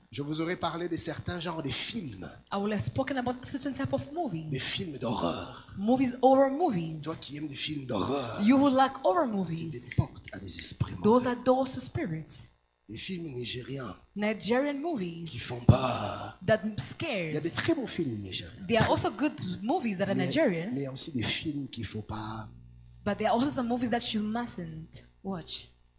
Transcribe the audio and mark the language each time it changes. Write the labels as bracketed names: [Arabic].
[French] Je vous aurais parlé de certains genres de films. [English] I will have spoken about certain type of movies. [French] Des films d'horreur. [English] Movies, horror movies. [French] Toi qui aimes des films d'horreur. [English] You will like horror movies. [French] C'est des portes à des esprits. [English] Those are doors to spirits. [French] Des films nigériens. [English] Nigerian movies. [French] Qui font peur. [English] That scares. [French] Il y a des très bons films nigériens. [English] There are also good movies that are Nigerian. [French] Mais il y a aussi des films qu'il faut pas. [English] But there are also some movies that you mustn't watch.